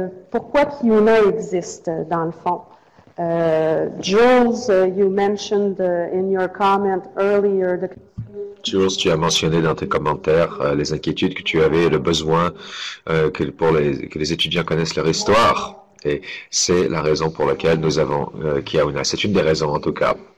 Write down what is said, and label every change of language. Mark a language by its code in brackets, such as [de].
[fr] Pourquoi Kiuna existe, dans le fond? [en] Jules, you mentioned in your comment earlier... [fr] Jules, tu as mentionné dans tes commentaires les inquiétudes que tu avais, le besoin que les étudiants connaissent leur histoire. Et c'est la raison pour laquelle nous avons Kiuna. C'est une des raisons, en tout cas.